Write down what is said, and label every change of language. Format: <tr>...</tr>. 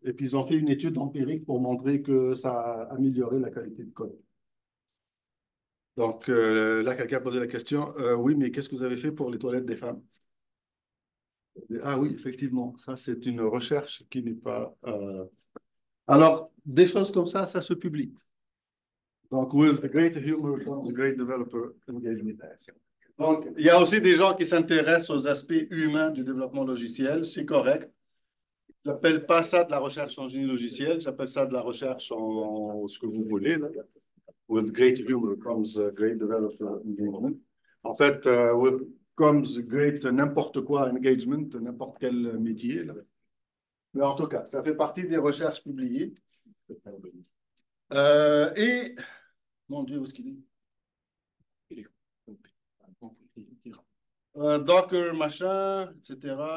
<fr>Et puis, ils ont fait une étude empirique pour montrer que ça a amélioré la qualité de code. Donc, là, quelqu'un a posé la question, oui, mais qu'est-ce que vous avez fait pour les toilettes des femmes? Ah oui, effectivement, ça, c'est une recherche qui n'est pas... Alors, des choses comme ça se publie. Donc,</fr> <en>with the great humor comes great developer engagement.</en> <fr>Donc, il y a aussi des gens qui s'intéressent aux aspects humains du développement logiciel, c'est correct. Je n'appelle pas ça de la recherche en génie logiciel, j'appelle ça de la recherche en ce que vous voulez. Là.</fr> <en>With great humor comes great developer engagement.</en> <fr>En fait,</fr> <en>with comes great</en> <fr>n'importe quoi engagement, n'importe quel métier. Là. Mais en tout cas, ça fait partie des recherches publiées. Et mon Dieu, où est-ce qu'il Docker, machin, etc.</fr>